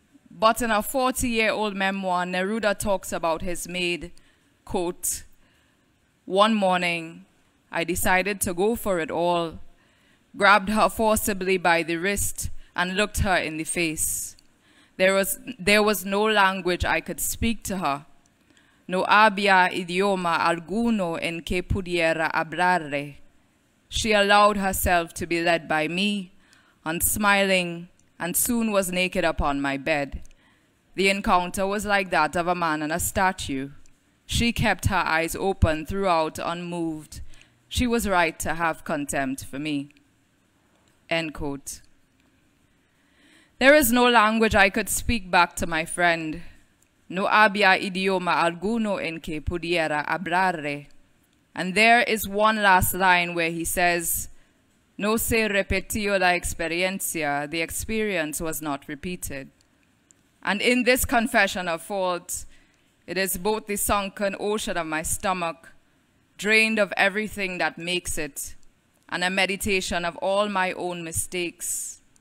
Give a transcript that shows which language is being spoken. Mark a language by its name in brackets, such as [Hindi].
[English] But in a 40-year-old memoir, Neruda talks about his maid, quote, "One morning, I decided to go for it all, grabbed her forcibly by the wrist, and looked her in the face. There was no language I could speak to her, [Spanish] no había idioma alguno en que pudiera hablarle. [English] She allowed herself to be led by me, unsmiling, and soon was naked upon my bed. The encounter was like that of a man and a statue. She kept her eyes open throughout, unmoved. She was right to have contempt for me. End quote. There is no language I could speak back to my friend. [Spanish] No había idioma alguno en que pudiera hablarle. [English] And there is one last line where he says, [Spanish] no se repitió la experiencia, [English] the experience was not repeated. And in this confession of fault, it is both the sunken ocean of my stomach, drained of everything that makes it, and a meditation of all my own mistakes.